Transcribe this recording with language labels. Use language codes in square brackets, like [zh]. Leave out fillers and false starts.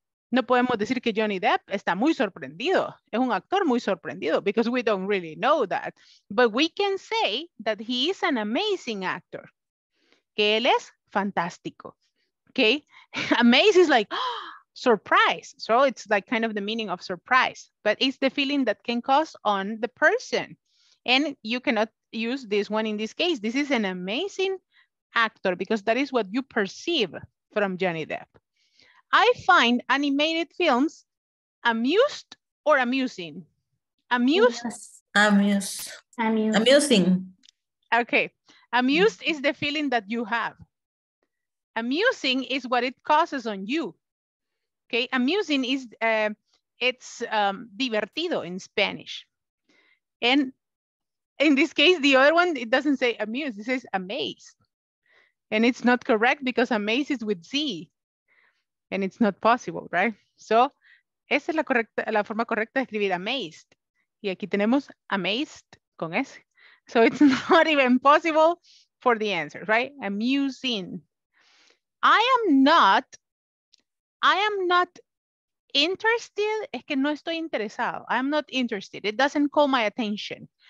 [es] No podemos decir que Johnny Depp está muy sorprendido. Es un actor muy sorprendido, [en] because we don't really know that. But we can say that he is an amazing actor. [es] Que él es fantástico. [en] Okay? Amazed is like, oh, surprise. So it's like kind of the meaning of surprise. But it's the feeling that can cause on the person. And you cannot use this one in this case. This is an amazing actor, because that is what you perceive from Johnny Depp. I find animated films amused or amusing? Amused? Yes. Amused. Amusing. Okay. Amused is the feeling that you have. Amusing is what it causes on you. Okay. Amusing is, it's divertido in Spanish. And in this case, the other one, it doesn't say amused, it says amazed. And it's not correct because amazed is with Z. And it's not possible, right? [es] So, esa es la forma correcta de escribir amazed. Y aquí tenemos amazed con S. [en] So it's not even possible for the answer, right? Amusing. I am not interested. [es] Es que no estoy interesado. [en] I'm not interested. It doesn't call my attention.